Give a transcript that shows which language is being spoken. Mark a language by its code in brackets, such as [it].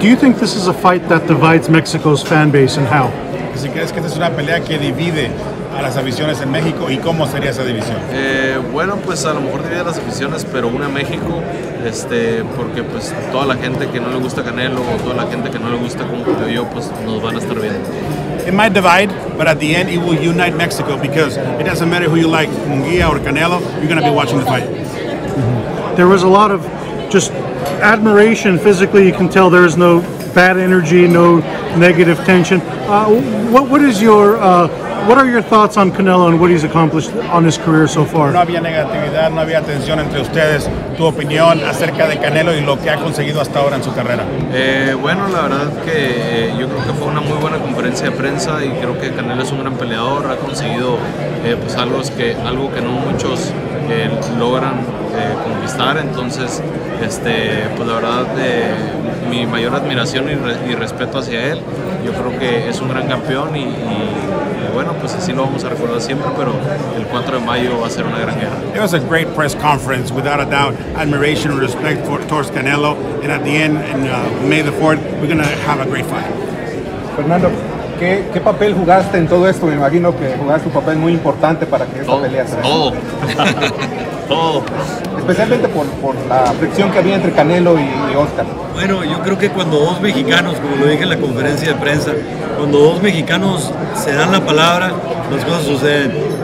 [en] Do you think this is a fight that divides Mexico's fan base and how? [es] ¿Si crees que esta es una pelea que divide a las aficiones en México y cómo sería esa división? Bueno, pues a lo mejor divide a las aficiones, pero una México, porque pues toda la gente que no le gusta Canelo o toda la gente que no le gusta como yo, pues nos van a estar viendo. [en] It might divide, but at the end it will unite Mexico because it doesn't matter who you like, Munguía or Canelo, you're going to be watching the fight. Mm-hmm. There was a lot of just admiration physically. You can tell there is no bad energy, no negative tension. What is your What are your thoughts on Canelo and what he's accomplished on his career so far? [es] No había negatividad, no había tensión entre ustedes. Tu opinión acerca de Canelo y lo que ha conseguido hasta ahora en su carrera. Bueno, la verdad que yo creo que fue una muy buena conferencia de prensa y creo que Canelo es un gran peleador, ha conseguido pues algo que no muchos logran conquistar. Entonces, pues la verdad, mi mayor admiración y respeto hacia él. Yo creo que es un gran campeón y bueno, pues así lo vamos a recordar siempre, pero el 4 de mayo va a ser una gran guerra. [en] It was a great press conference, without a doubt. Admiration and respect towards Canelo. And at the end, May the 4th, we're going to have a great fight. [es] Fernando, ¿Qué papel jugaste en todo esto? Me imagino que jugaste un papel muy importante para que esta pelea se todo. Todo. Especialmente por la fricción que había entre Canelo y Oscar. Bueno, yo creo que cuando dos mexicanos, como lo dije en la conferencia de prensa, cuando dos mexicanos se dan la palabra, las cosas suceden.